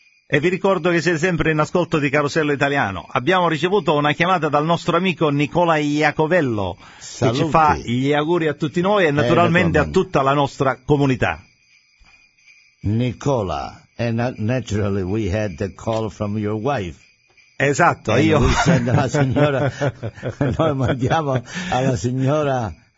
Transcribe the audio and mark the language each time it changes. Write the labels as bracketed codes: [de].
[it] E vi ricordo che siete sempre in ascolto di Carosello Italiano. Abbiamo ricevuto una chiamata dal nostro amico Nicola Iacovello. Salute. Che ci fa gli auguri a tutti noi e naturalmente a tutta la nostra comunità. [en] Nicola, and naturally we had the call from your wife. [it] Esatto, [en] and [it] io. [en] We send [it] alla signora, noi mandiamo alla signora.